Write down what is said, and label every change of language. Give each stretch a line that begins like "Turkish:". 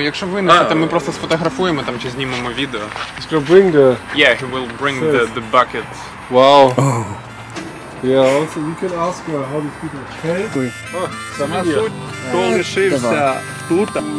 Ukrainian: Якщо винесете, ми просто сфотографуємо там чи знімемо відео.
English: He's gonna bring the... Yeah, he will bring the bucket. Wow. Oh. Yeah, also you can ask how these people came.
Ukrainian: Oh, сама суть, хто лишився тут.